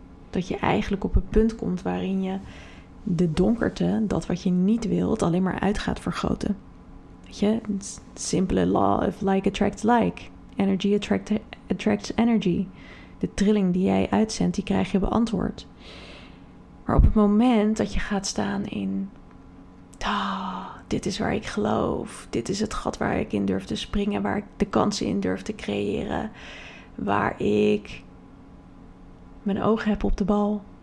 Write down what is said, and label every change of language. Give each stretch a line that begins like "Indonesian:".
Dutch: Dat je eigenlijk op het punt komt waarin je de donkerte, dat wat je niet wilt, alleen maar uit gaat vergroten. Weet je, simpele
English: law of like attracts like. Energy attracts energy.
Dutch: De trilling die jij uitzendt, die krijg je beantwoord. Maar op het moment dat je gaat staan in, oh, dit is waar ik geloof. Dit is het gat waar ik in durf te springen. Waar ik de kansen in durf te creëren. Waar ik mijn ogen heb op de bal.